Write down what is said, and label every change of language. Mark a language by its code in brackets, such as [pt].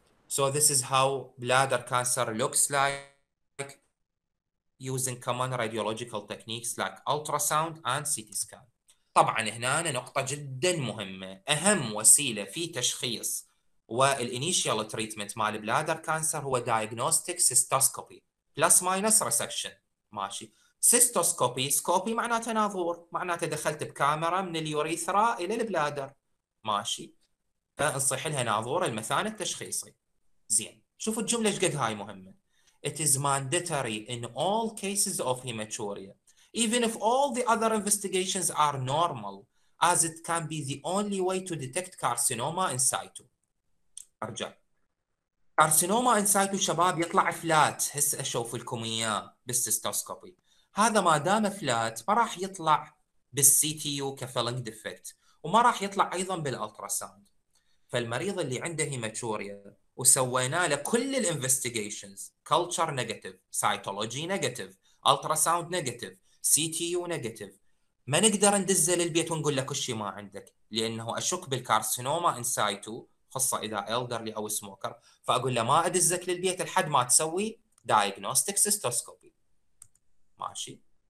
[en] So this is how bladder cancer looks like using common radiological techniques like ultrasound and CT scan. [ar] طبعا هنا نقطة جدا مهمة، أهم وسيلة في تشخيص والانيشيال تريتمنت مع البلادر كانسر هو [en] diagnostic cystoscopy plus minus resection. [ar] ماشي. cystoscopy سكوبي معناته ناظور، معناته دخلت بكاميرا من اليوريثرا إلى البلادر. ماشي. فانصح لها ناظور المثانة التشخيصي. زين شوفوا الجملة ايش قد هاي مهمة. [en] It is mandatory in all cases of hematuria even if all the other investigations are normal as it can be the only way to detect carcinoma in situ. [ar] ارجع carcinoma in situ شباب يطلع فلات، هسه اشوف لكم اياه بالسيستوسكوبي. هذا ما دام فلات ما راح يطلع بالسي تي يو كفيلنج ديفكت، وما راح يطلع ايضا بالالتراساوند. فالمريض اللي عنده هيماتوريا وسوينا له كل الانفستيجيشنز كلتشر نيجاتيف، سايتولوجي نيجاتيف، التراساوند نيجاتيف، سي تي يو نيجاتيف، ما نقدر ندزه للبيت ونقول له كل شيء ما عندك، لانه اشك بالكارسينوما ان سايتو خاصه اذا الدرلي او سموكر، فاقول له ما ادزك للبيت لحد ما تسوي دايجنوستيك سيستوسكوبي. ماشي.